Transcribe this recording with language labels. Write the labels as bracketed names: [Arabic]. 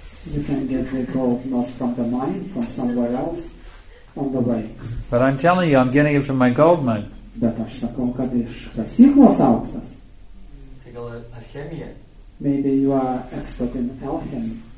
[English] You can get the gold not from the mine, from somewhere else, on the way. But I'm telling you, I'm getting it from my gold mine. [Lithuanian] Bet aš sakau, kad iš kasyklos auksas. [English] Take a look at alchemy. Maybe you are expert in alchemy.